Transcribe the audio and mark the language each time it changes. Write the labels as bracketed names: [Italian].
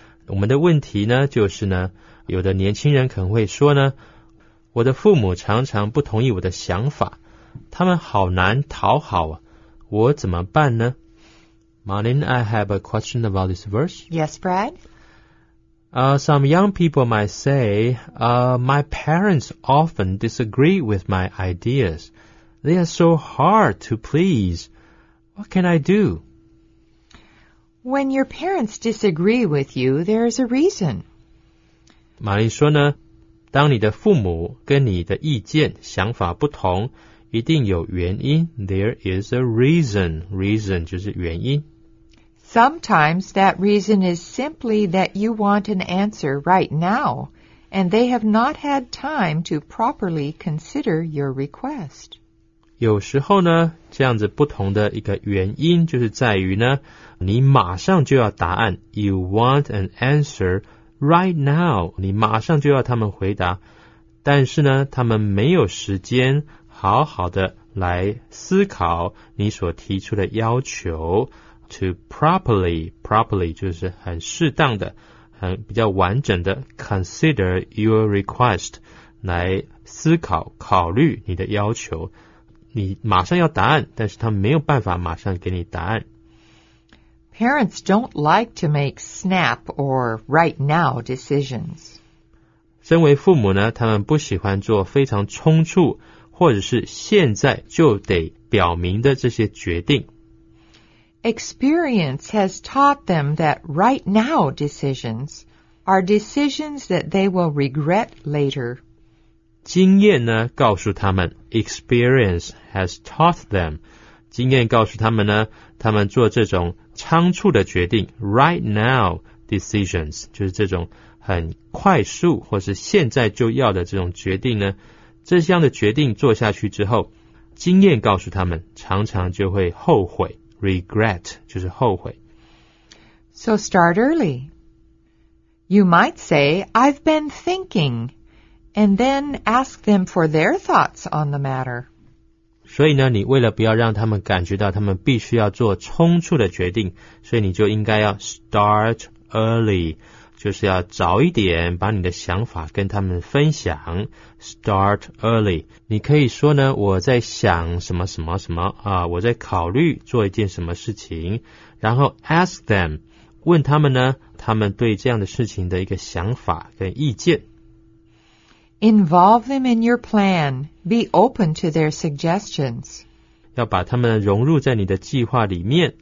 [Chinese] 我们的问题呢，就是呢，有的年轻人可能会说呢，我的父母常常不同意我的想法，他们好难讨好啊，我怎么办呢？ [English] Marlene, I have a question about this verse. Yes, Brad. Some young people might say, my parents often disagree with my ideas. They are so hard to please. What can I do? When your parents disagree with you, there is a reason. [Chinese] 玛丽说呢，当你的父母跟你的意见、想法不同，一定有原因。 [English] There is a reason. Reason [Chinese] 就是原因。 [English] Sometimes that reason is simply that you want an answer right now, and they have not had time to properly consider your request. [Chinese] 有时候呢，这样子不同的一个原因就是在于呢，你马上就要答案。 [English] You want an answer right now. [Chinese] 你马上就要他们回答，但是呢，他们没有时间好好的来思考你所提出的要求。 To properly 就是很适当的，很比较完整的 [English] consider your request [Chinese] 来思考考虑你的要求。你马上要答案，但是他没有办法马上给你答案。 [English] Parents don't like to make snap or right now decisions. [Chinese] 身为父母呢，他们不喜欢做非常冲突或者是现在就得表明的这些决定。 [English] Experience has taught them that right now decisions are decisions that they will regret later. [Chinese] 经验呢告诉他们 , [English] experience has taught them, [Chinese] 经验告诉他们呢，他们做这种仓促的决定 , [English] right now decisions, [Chinese] 就是这种很快速或是现在就要的这种决定呢，这项的决定做下去之后，经验告诉他们常常就会后悔。 Regret, 就是后悔。 [English] So start early. You might say, I've been thinking, and then ask them for their thoughts on the matter. [Chinese] 所以呢，你为了不要让他们感觉到他们必须要做冲突的决定，所以你就应该要 [English] start early, [Chinese] 就是要早一点把你的想法跟他们分享。 [English] Start early. [Chinese] 你可以说呢，我在想什么什么什么啊，我在考虑做一件什么事情，然后 [English] ask them, [Chinese] 问他们呢，他们对这样的事情的一个想法跟意见。 [English] Involve them in your plan. Be open to their suggestions. [Chinese] 要把他们融入在你的计划里面。